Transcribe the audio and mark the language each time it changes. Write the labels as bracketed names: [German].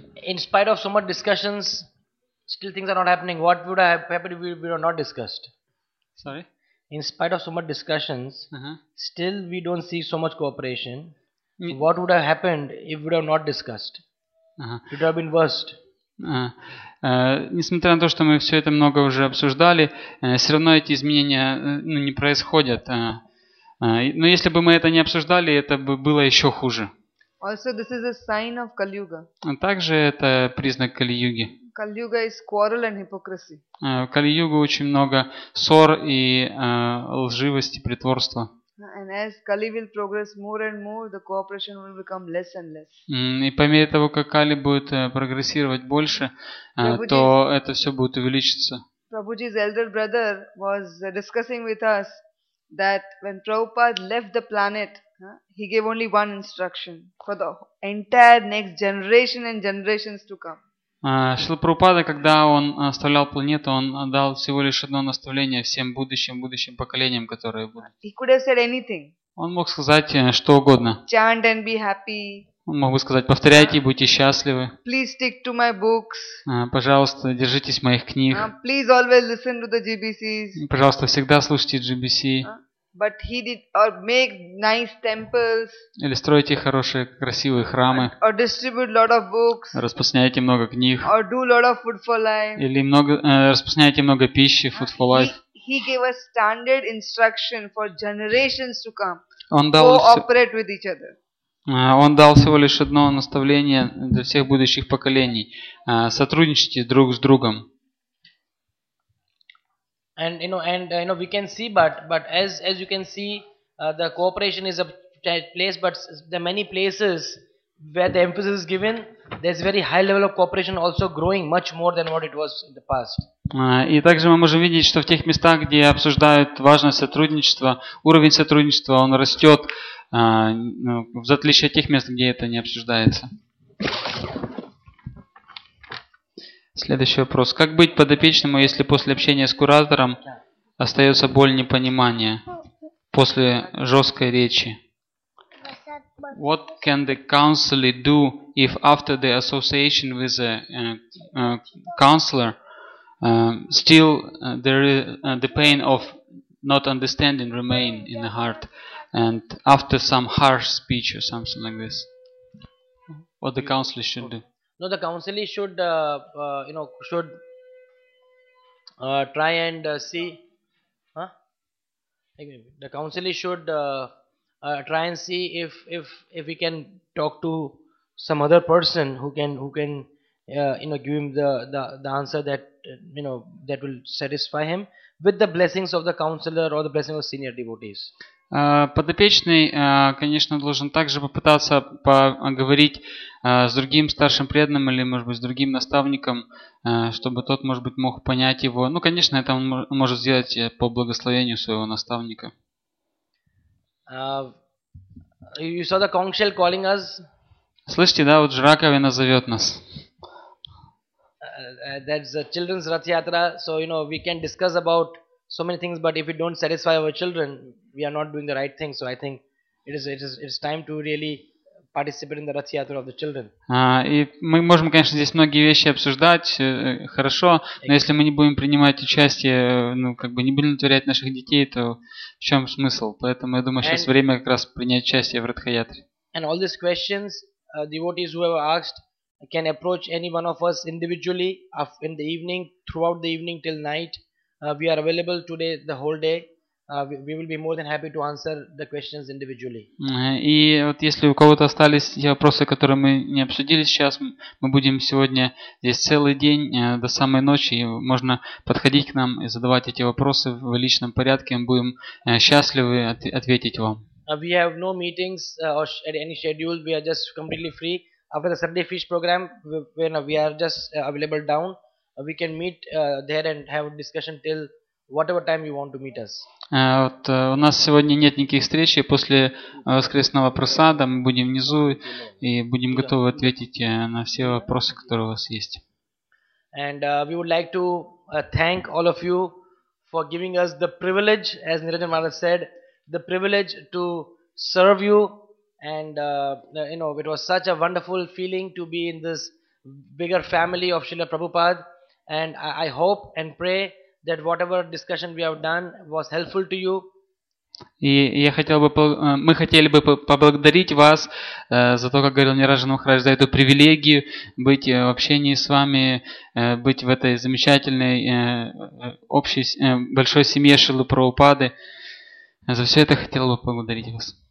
[English] In spite of so much discussions, still things are not happening. What would have happened if we were not discussed? Sorry? In spite of so much discussions, still we don't see so much cooperation. What would have happened if we have not discussed? It would have been worse. [Russian] Несмотря на то, что мы все это много уже обсуждали, все равно эти изменения не происходят. Но если бы мы это не обсуждали, это бы было еще хуже. [English] Also, this is a sign of Kali Yuga. [Russian] Также это признак Кали-Юги. [English] Kali-yuga is quarrel and hypocrisy. [Russian] В Кали-Юге очень много ссор и лживости, притворства. [English] And as Kali will progress more and more, the cooperation will become less and less. [Russian] И по мере того, как Кали будет прогрессировать больше, то это все будет увеличиться. [English] Prabhuji's elder brother was discussing with us that when Prabhupada left the planet, he gave only one instruction for the entire next generation and generations to come. [Russian] Шрила Прабхупада, когда он оставлял планету, он дал всего лишь одно наставление всем будущим поколениям, которые будут. [English] He could have said anything. [Russian] Он мог сказать что угодно. [English] Chant and be happy. [Russian] Он мог бы сказать: повторяйте и будьте счастливы. [English] Please stick to my books. [Russian] Пожалуйста, держитесь моих книг. [English] Please always listen to the GBCs. [Russian] Пожалуйста, всегда слушайте GBC. [English] But he did or make nice temples. [Russian] Или стройте хорошие красивые храмы. [English] Or distribute lot of books. [Russian] Распространяйте много книг. [English] Or do lot of food for life. [Russian] Или распространяйте много пищи, food for life. [English] He gave a standard instruction for generations to come. [Russian] Он дал [English] cooperate with each other. [Russian] Он дал всего лишь одно наставление для всех будущих поколений: сотрудничайте друг с другом. [English] And you know, we can see, but as you can see, the cooperation is a place, but there are many places where the emphasis is given. There's very high level of cooperation also growing much more than what it was in the past. [Russian] И также мы можем видеть, что в тех местах, где обсуждают важность сотрудничества, уровень сотрудничества он растет, в отличие от тех мест, где это не обсуждается. Следующий вопрос. Как быть подопечному, если после общения с куратором остается боль непонимания после жесткой речи? [English] What can the counselor do if after the association with a counselor still there is the pain of not understanding remain in the heart and after some harsh speech or something like this? What the counselor should do? No, the counselor should should try and see. The counselor should try and see if he can talk to some other person who can give him the answer that that will satisfy him with the blessings of the counselor or the blessing of senior devotees. [Russian] Подопечный, конечно, должен также попытаться поговорить с другим старшим преданным или, может быть, с другим наставником, чтобы тот, может быть, мог понять его. Ну, конечно, это он может сделать по благословению своего наставника. [English] You saw the conch shell calling us? [Russian] Слышите, да, вот жраковина зовет нас. [English] That's a children's Rath Yatra, so, we can discuss about so many things, but if we don't satisfy our children, we are not doing the right thing. So I think it is time to really participate in the Rath Yatra of the children. [Russian] И мы можем, конечно, здесь многие вещи обсуждать, хорошо, но если мы не будем принимать участие, не будем удовлетворять наших детей, то в чем смысл? Поэтому я думаю, сейчас время как раз принять участие в Ратха Ятре. [English] And all these questions, devotees who have asked can approach any one of us individually in the evening, throughout the evening till night. We are available today the whole day. We will be more than happy to answer the questions individually. [Russian] И вот если у кого-то остались те вопросы, которые мы не обсудили сейчас, мы будем сегодня здесь целый день до самой ночи. Можно подходить к нам и задавать эти вопросы в личном порядке. Мы будем счастливы ответить вам. [English] We have no meetings or any schedule. We are just completely free. After the Sunday fish program, we are just available down. We can meet there and have a discussion till whatever time you want to meet us. [Russian] У нас сегодня нет никаких встреч, и после воскресного просада мы будем внизу и будем готовы ответить на все вопросы, которые у вас есть. [English] And we would like to thank all of you for giving us the privilege, as Niranjan Maharaj said, the privilege to serve you. And it was such a wonderful feeling to be in this bigger family of Srila Prabhupada. And I hope and pray that whatever discussion we have done was helpful to you. [Russian] И я хотел бы, мы хотели бы поблагодарить вас за то, как говорил Ниранджан Махарадж, за эту привилегию быть в общении с вами, быть в этой замечательной общей большой семье Шрилы Прабхупады. За все это хотел бы поблагодарить вас.